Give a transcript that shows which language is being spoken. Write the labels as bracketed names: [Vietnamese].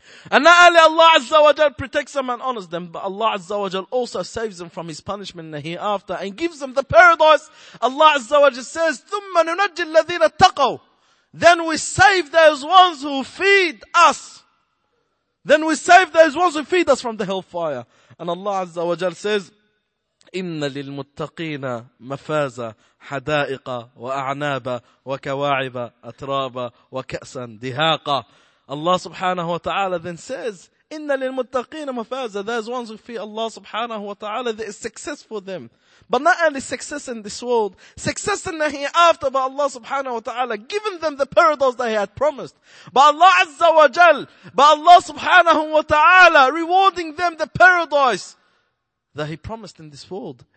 [English] And not only Allah Azza wa Jal protects them and honors them, but Allah Azza wa Jal also saves them from his punishment in the hereafter and gives them the paradise. Allah Azza wa Jal says, [Arabic] ثُمَّ نُنَجِّ الَّذِينَ اتَّقَوْا. [English] Then we save those ones who feed us. Then we save those ones who feed us from the hellfire. And Allah Azza wa Jal says, [Arabic] إِنَّ لِلْمُتَّقِينَ مَفَازَ حَدَائِقَ وَأَعْنَابَ وَكَوَاعِبَ أَتْرَابَ وَكَأْسًا دِهَاقَ. [English] Allah subhanahu wa ta'ala then says, [Arabic] إِنَّ لِلْمُتَّقِينَ مَفَازَ. [English] Those ones who fear Allah subhanahu wa ta'ala, there is success for them. But not only success in this world, success in the hereafter, but Allah subhanahu wa ta'ala giving them the paradise that he had promised. But Allah Azza wa Jal, but Allah subhanahu wa ta'ala rewarding them the paradise that he promised in this world.